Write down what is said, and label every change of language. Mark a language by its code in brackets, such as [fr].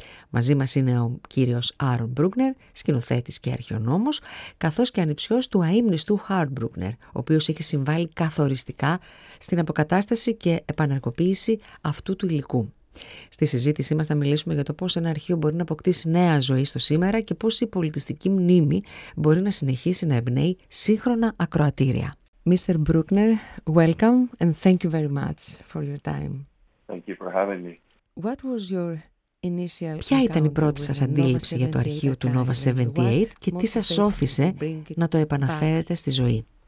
[el] Μαζί μας είναι ο κύριος Άρον Μπρούκνερ, σκηνοθέτης και αρχαιονόμος, καθώς και ανιψιός του αείμνηστου Χάρντ Μπρούκνερ, ο οποίος έχει συμβάλει καθοριστικά στην αποκατάσταση και επαναρκοποίηση αυτού του υλικού. Στη συζήτησή μας θα μιλήσουμε για το πώς ένα αρχείο μπορεί να αποκτήσει νέα ζωή στο σήμερα και πώς η πολιτιστική μνήμη μπορεί να συνεχίσει να εμπνέει σύγχρονα ακροατήρια. [en] Mr. Bruckner, welcome and thank you very much for your time. Thank you for having me. What was your initial [el] Ποια ήταν η πρώτη σας αντίληψη για το αρχείο του Nova 78 και τι σας όθησε να το επαναφέρετε στη ζωή?